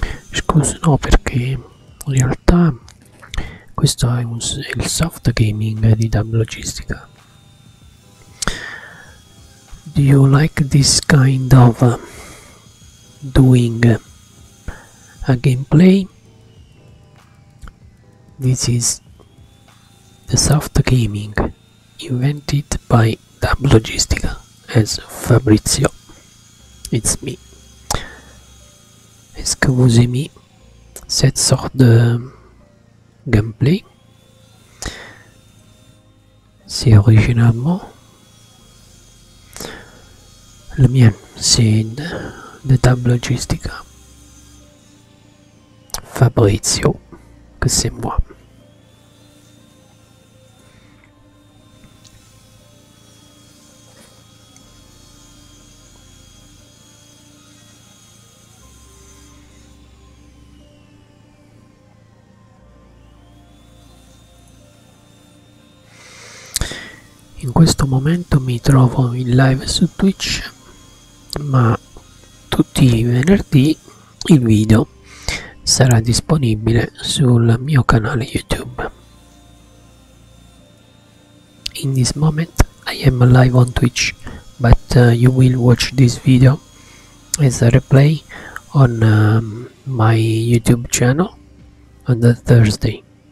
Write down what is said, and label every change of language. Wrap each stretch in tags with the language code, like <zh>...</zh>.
<it>Scus, no, perché in realtà questo è il soft gaming di Dablogistica.</it> <en>Do you like this kind of doing a gameplay? This is the soft gaming invented by Dablogistica as Fabrizio. It's me.</en> <fr>Excusez-moi. Cette sorte de gameplay, c'est originalement le mien, c'est de Dablogistica. Fabrizio, que c'est moi.</fr> <it>In questo momento mi trovo in live su Twitch, ma tutti i venerdì il video sarà disponibile sul mio canale YouTube.</it> <en>In this moment I am live on Twitch, but you will watch this video as a replay on my YouTube channel on the Thursday.</en>